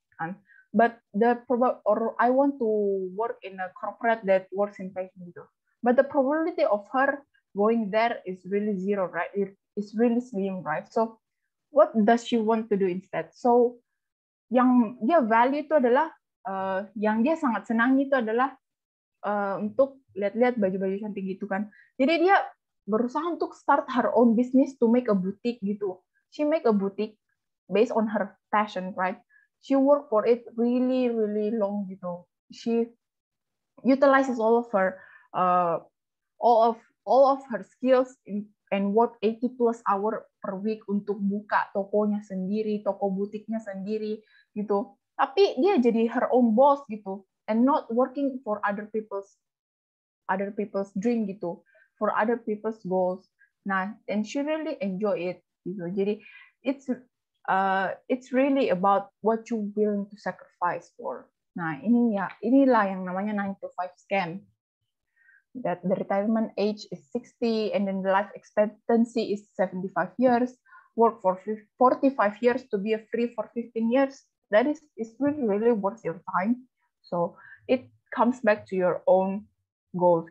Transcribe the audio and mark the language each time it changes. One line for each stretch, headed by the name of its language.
English: And but the probab or I want to work in a corporate that works in fashion gitu. But the probability of her going there is really zero, right? It's really slim, right? So what does she want to do instead?
Indonesian: So yang dia value itu adalah yang dia sangat senang itu adalah untuk lihat-lihat baju-baju cantik gitu kan. Jadi dia berusaha untuk
English: start her own business to make a boutique gitu. She make a boutique based on her passion, right? She work for it really really long gitu. She utilizes all of her skills and work 80 plus hour per week
Indonesian: untuk buka tokonya sendiri, toko butiknya sendiri gitu. Tapi dia jadi
English: her own boss gitu and not working for other people's dream gitu, for other people's goals. Nah, and she really enjoy it gitu. Jadi it's really about what you willing to sacrifice for.
Indonesian: Nah, ini ya, inilah yang namanya 9-to-5 scam.
English: That the retirement age is 60 and then the life expectancy is 75 years, work for 45 years to be a free for 15 years. That is really really worth your time. So it comes back to your own goals.